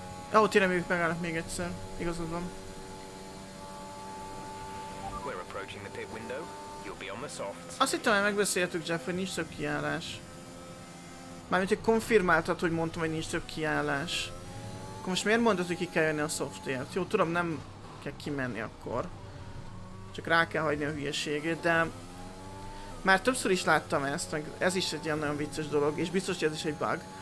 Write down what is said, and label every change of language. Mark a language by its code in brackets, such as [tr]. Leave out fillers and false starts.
[hu] Ahó, tényleg megállnak még egyszer, igazad van. [en] approaching the pit window, you'll be on the softs. [hu] Azt hittem, hogy megbeszéltük, Jeff, hogy nincs több kiállás. Mármint, hogy konfirmáltad, hogy mondtam, hogy nincs több kiállás. Akkor most miért mondod, hogy ki kell jönni a softért? Jó, tudom, nem kell kimenni akkor. Csak rá kell hagyni a hülyeségét, de... Már többször is láttam ezt, meg ez is egy ilyen nagyon vicces dolog, és biztos, hogy ez is egy bug.